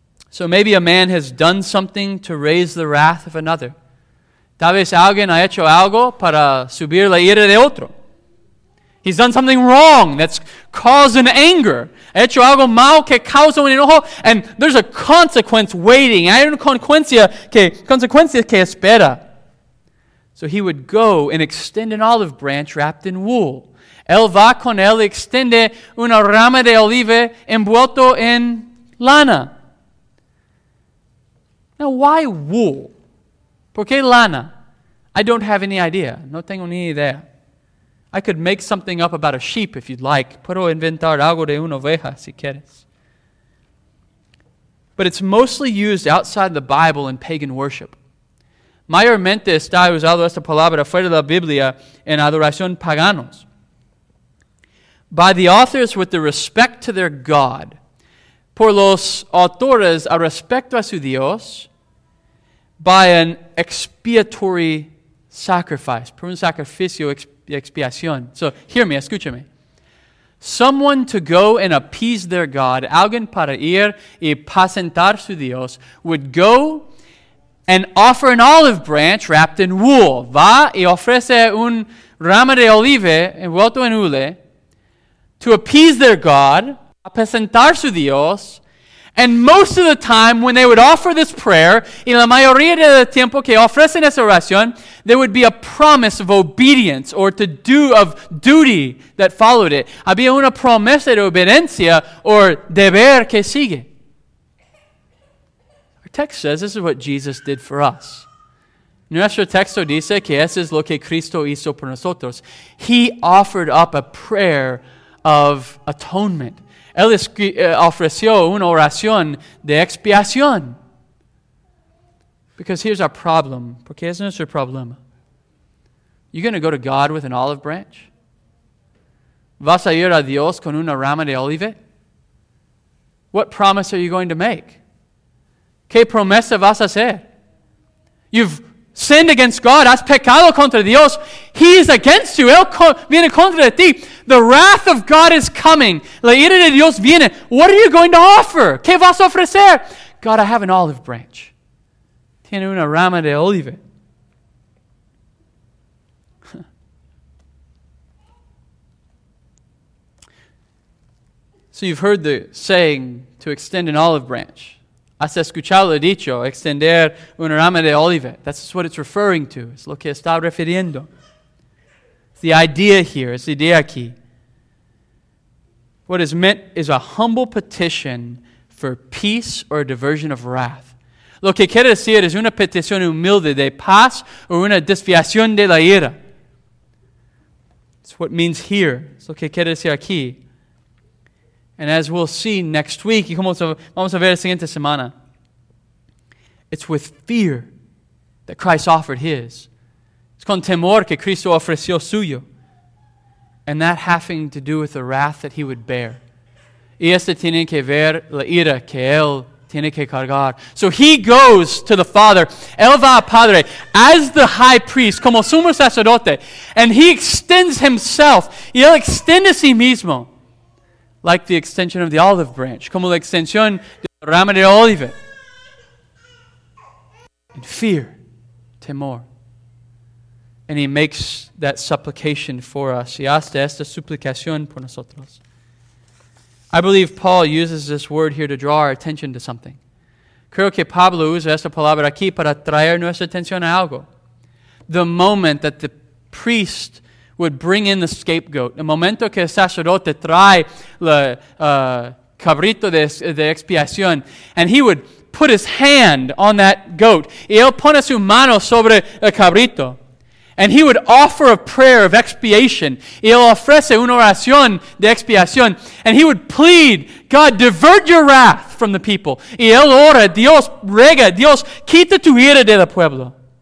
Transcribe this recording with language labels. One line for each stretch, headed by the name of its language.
English: So maybe a man has done something to raise the wrath of another.
Spanish: Tal vez alguien ha hecho algo para subir la ira de otro.
English: He's done something wrong that's caused an anger.
Spanish: Ha hecho algo mal que causa un enojo.
English: And there's a consequence waiting.
Spanish: Hay una consecuencia que espera.
English: So he would go and extend an olive branch wrapped in wool.
Spanish: Él va con él y extiende una rama de oliva envuelto en lana.
English: Now, why wool?
Spanish: ¿Por qué lana?
English: I don't have any idea.
Spanish: No tengo ni idea.
English: I could make something up about a sheep if you'd like.
Spanish: Puedo inventar algo de una oveja si quieres.
English: But it's mostly used outside the Bible in pagan worship.
Spanish: Mayormente está usado esta palabra fuera de la Biblia en adoración paganos.
English: By the authors with the respect to their God.
Spanish: Por los autores a respecto a su Dios.
English: By an expiatory sacrifice.
Spanish: Por un sacrificio expiación.
English: So, hear me,
Spanish: escúchame.
English: Someone to go and appease their God.
Spanish: Alguien para ir y apacentar su Dios.
English: Would go and offer an olive branch wrapped in wool.
Spanish: Va y ofrece un rama de olive envuelto en hule.
English: To appease their God,
Spanish: apacentar su Dios,
English: and most of the time when they would offer this prayer,
Spanish: y la mayoría de el tiempo que ofrecen esa oración,
English: there would be a promise of obedience or to do of duty that followed it.
Spanish: Había una promesa de obediencia or deber que sigue.
English: Our text says this is what Jesus did for us.
Spanish: Nuestro texto dice que eso es lo que Cristo hizo por nosotros.
English: He offered up a prayer of atonement.
Spanish: Él ofreció una oración de expiación.
English: Because here's our problem.
Spanish: Porque es nuestro problema.
English: You're going to go to God with an olive branch?
Spanish: ¿Vas a ir a Dios con una rama de olive?
English: What promise are you going to make?
Spanish: ¿Qué promesa vas a hacer?
English: You've sinned against God.
Spanish: Has pecado contra Dios.
English: He is against you.
Spanish: Él viene contra ti.
English: The wrath of God is coming.
Spanish: La ira de Dios viene.
English: What are you going to offer?
Spanish: ¿Qué vas a ofrecer?
English: God, I have an olive branch.
Spanish: Tiene una rama de oliva. Huh.
English: So you've heard the saying to extend an olive branch.
Spanish: Has escuchado dicho, extender una rama de olive.
English: That's what it's referring to.
Spanish: Es lo que está refiriendo.
English: It's the idea here. It's the idea aquí. What is meant is a humble petition for peace or a diversion of wrath.
Spanish: Lo que quiere decir es una petición humilde de paz o una desviación de la ira.
English: It's what means here.
Spanish: Es lo que quiere decir aquí.
English: And as we'll see next week,
Spanish: y como vamos a ver la siguiente semana,
English: it's with fear that Christ offered his.
Spanish: It's con temor que Cristo ofreció suyo.
English: And that having to do with the wrath that he would bear.
Spanish: Y este tiene que ver la ira que él tiene que cargar.
English: So he goes to the Father.
Spanish: Él va a Padre
English: as the high priest,
Spanish: como sumo sacerdote.
English: And he extends himself.
Spanish: Y él extiende a sí mismo.
English: Like the extension of the olive branch.
Spanish: Como la extensión de la rama de olive.
English: In fear.
Spanish: Temor.
English: And he makes that supplication for us.
Spanish: Y hasta esta suplicación por nosotros.
English: I believe Paul uses this word here to draw our attention to something.
Spanish: Creo que Pablo usa esta palabra aquí para traer nuestra atención a algo.
English: The moment that the priest would bring in the scapegoat.
Spanish: El momento que el sacerdote trae el cabrito de expiación.
English: And he would put his hand on that goat.
Spanish: Y él pone su mano sobre el cabrito.
English: And he would offer a prayer of expiation.
Spanish: Y él ofrece una oración de expiación.
English: And he would plead, God, divert your wrath from the people.
Spanish: Y él ora, Dios, rega, Dios, quita tu ira de la pueblo.